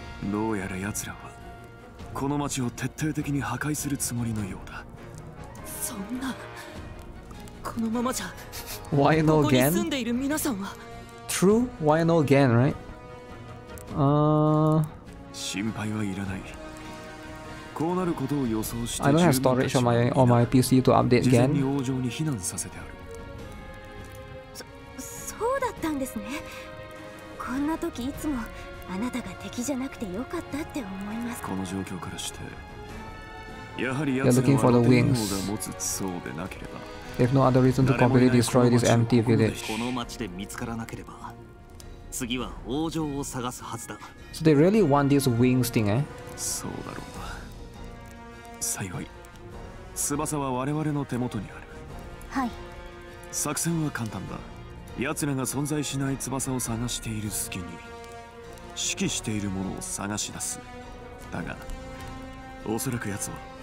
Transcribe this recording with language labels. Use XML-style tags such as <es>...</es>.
<ja>どうやら奴らはこの町を徹底的に破壊するつもりのようだ。そんな、このままじゃ、</ja> <en>Why no again?</en> <ja>ここに住んでいる皆さんは。</ja> <en>True? Why no again, right?</en> <ja>心配はいらない。こうなることを予想して</ja> <en>I don't have storage on my PC to update again.</en> <ja>事前に王城に避難させてある。そうだったんですね。こんな時いつもあなたが敵じゃなくてよかったって思います。この状況からしてやはり奴らはロテン王が持つ層でなければ</ja> <en>If no other reason to completely destroy this empty village</en> <ja>この町で見つからなければ次は王城を探すはずだ。</ja> <en>So they really want this wings thing, eh?</en> <ja>そうだろうな。幸い翼は我々の手元にある。はい、作戦は簡単だ。奴らが存在しない翼を探している隙に指揮しているものを探し出す。だが、おそらく奴は。</ja>